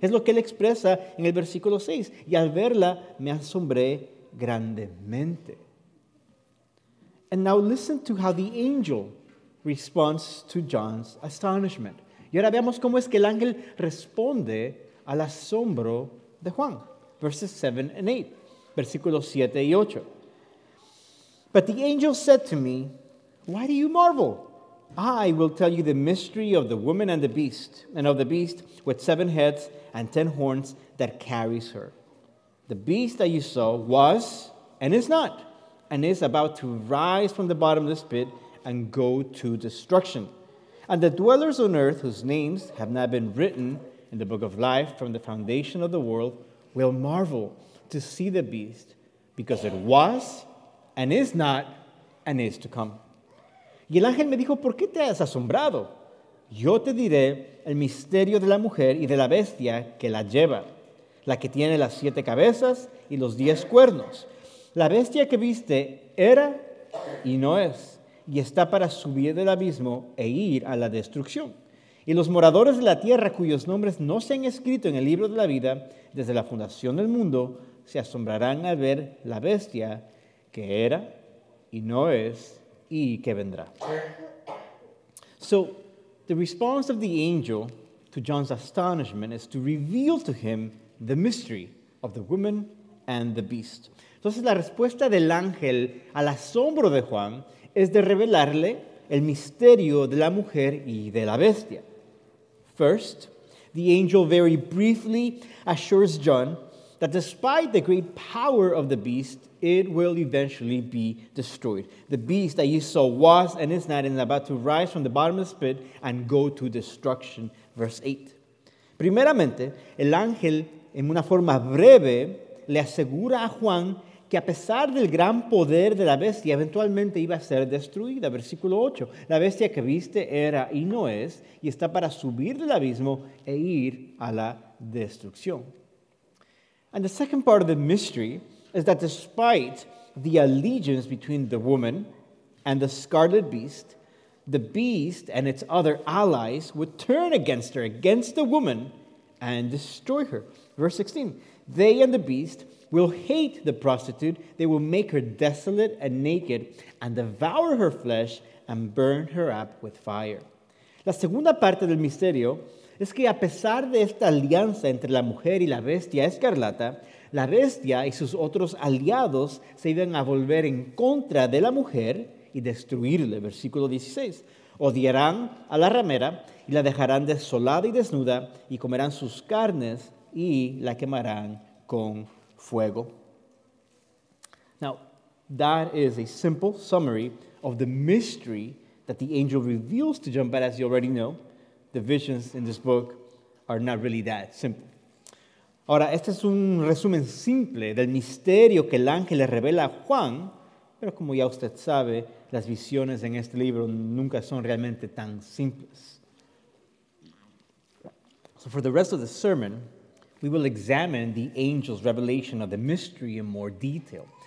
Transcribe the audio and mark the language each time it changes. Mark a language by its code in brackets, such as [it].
[es] Es lo que él expresa en el versículo 6. Y al verla, me asombré grandemente. [en] And now listen to how the angel responds to John's astonishment. [es] Y ahora veamos cómo es que el ángel responde al asombro de Juan. [en] Verses 7 and 8. [es] Versículos 7 y 8. [en] But the angel said to me, "Why do you marvel? I will tell you the mystery of the woman and the beast, and of the beast with seven heads and ten horns that carries her. The beast that you saw was and is not, and is about to rise from the bottomless pit and go to destruction. And the dwellers on earth whose names have not been written in the book of life from the foundation of the world will marvel to see the beast, because it was and is not and is to come." [es] Y el ángel me dijo, ¿por qué te has asombrado? Yo te diré el misterio de la mujer y de la bestia que la lleva, la que tiene las siete cabezas y los diez cuernos. La bestia que viste era y no es, y está para subir del abismo e ir a la destrucción. Y los moradores de la tierra cuyos nombres no se han escrito en el libro de la vida desde la fundación del mundo se asombrarán al ver la bestia que era y no es, y que vendrá. [en] So, the response of the angel to John's astonishment is to reveal to him the mystery of the woman and the beast. [es] Entonces, la respuesta del ángel al asombro de Juan es de revelarle el misterio de la mujer y de la bestia. [en] First, the angel very briefly assures John that despite the great power of the beast, it will eventually be destroyed. The beast that you saw was and is not and is about to rise from the bottomless pit and go to destruction. Verse 8. [es] Primeramente, el ángel, en una forma breve, le asegura a Juan que a pesar del gran poder de la bestia, eventualmente iba a ser destruida. Versículo 8. La bestia que viste era y no es, y está para subir del abismo e ir a la destrucción. [en] And the second part of the mystery is that despite the allegiance between the woman and the scarlet beast, the beast and its other allies would turn against her, against the woman, and destroy her. Verse 16. They and the beast will hate the prostitute, they will make her desolate and naked, and devour her flesh and burn her up with fire. [es] La segunda parte del misterio es que a pesar de esta alianza entre la mujer y la bestia escarlata, la bestia y sus otros aliados se iban a volver en contra de la mujer y destruirle. Versículo 16. Odiarán a la ramera y la dejarán desolada y desnuda y comerán sus carnes y la quemarán con fuego. [en] Now, that is a simple summary of the mystery that the angel reveals to John, but as you already know, the visions in this book are not really that simple. [es] Ahora, este es un resumen simple del misterio que el ángel le revela a Juan, pero como ya usted sabe, las visiones en este libro nunca son realmente tan simples. [en] So for the rest of the sermon, we will examine the angel's revelation of the mystery in more detail.